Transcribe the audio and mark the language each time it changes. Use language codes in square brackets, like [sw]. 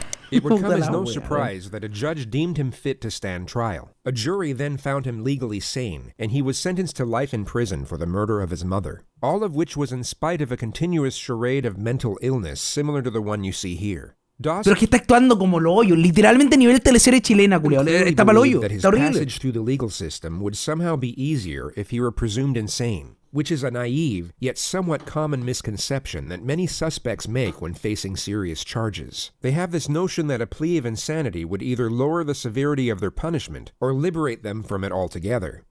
[en] It would come as no surprise that a judge deemed him fit to stand trial. A jury then found him legally sane, and he was sentenced to life in prison for the murder of his mother. All of which was in spite of a continuous charade of mental illness similar to the one you see here. [es] Pero es que está actuando como lo hoyo, literalmente a nivel teleserie chilena, culiao. Está mal hoyo, está horrible. [en] Passage through the legal system would somehow be easier if he were presumed insane, which is a naive yet somewhat common misconception that many suspects make when facing serious charges. They have this notion that a plea of insanity would either lower the severity of their punishment or liberate them from it altogether.